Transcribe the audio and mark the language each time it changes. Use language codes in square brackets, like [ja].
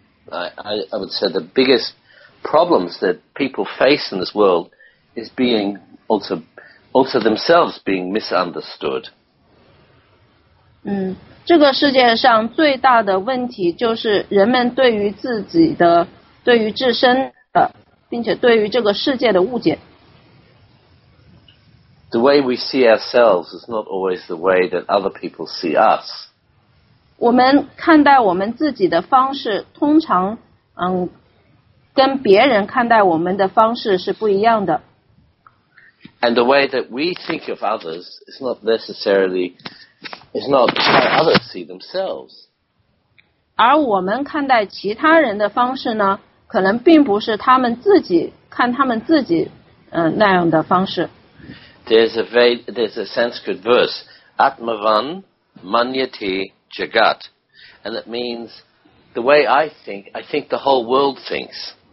[en] I would say the biggest problems that people face in this world is being also themselves being misunderstood. [zh] 这个世界上最大的问题就是人们对于自己的、对于自身的，并且对于这个世界的误解。 [en] The way we see ourselves is not always the way that other people see us. [zh] 我们看待我们自己的方式通常跟别人看待我们的方式是不一样的。 [en] And the way that we think of others is not necessarily, is not how others see themselves. [zh] 而我们看待其他人的方式呢，可能并不是他们自己看他们自己那样的方式。 [en] There's a Sanskrit verse, [sa] Atmavan Manyati Jagat, [en] and it means the way I think the whole world thinks.